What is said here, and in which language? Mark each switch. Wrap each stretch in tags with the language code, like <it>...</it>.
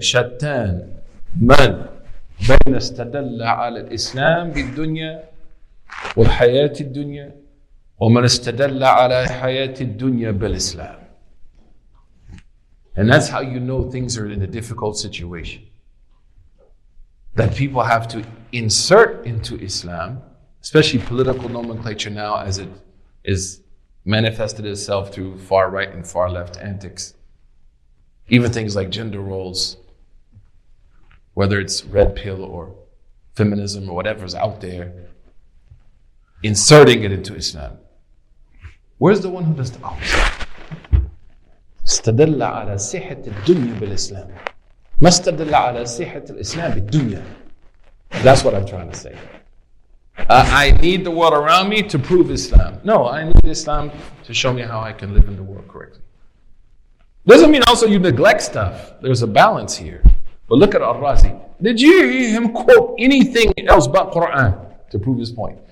<ar>شتان من بين استدل على الإسلام بالدنيا والحياة الدنيا ومن استدل على حياة الدنيا بالإسلام.</ar> <en>And that's how you know things are in a difficult situation. that people have to insert into Islam, especially political nomenclature now as it is manifested itself through far right and far left antics, even things like gender roles, whether it's red pill or feminism or whatever's out there, inserting it into Islam. Where's the one who does the opposite?</en> <ar>استدل على صحة الدنيا بالإسلام. ما استدل على صحة الإسلام بالدنيا.</ar> <en>That's what I'm trying to say. I need the world around me to prove Islam. No, I need Islam to show me how I can live in the world correctly. Doesn't mean also you neglect stuff. There's a balance here. But look at Al-Razi. Did you hear him quote anything else but Quran to prove his point?</en>